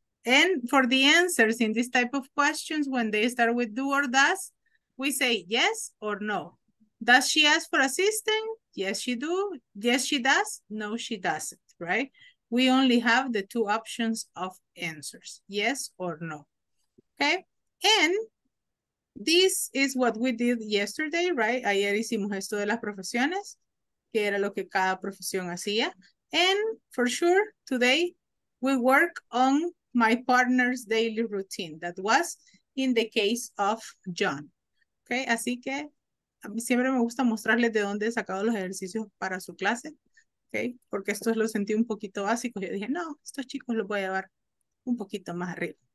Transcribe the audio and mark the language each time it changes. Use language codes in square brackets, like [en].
[en] And for the answers in this type of questions, when they start with do or does, we say yes or no. Does she ask for assistance? Yes, she do. Yes, she does. No, she doesn't, right? We only have the two options of answers, yes or no, okay? And this is what we did yesterday, right? [es] Ayer hicimos esto de las profesiones, que era lo que cada profesión hacía. [en] And for sure, today, we work on my partner's daily routine. That was in the case of John, okay? [es] Así que, a mí siempre me gusta mostrarles de dónde he sacado los ejercicios para su clase, ¿okay? Porque esto lo sentí un poquito básico. Yo dije, no, estos chicos los voy a llevar un poquito más arriba.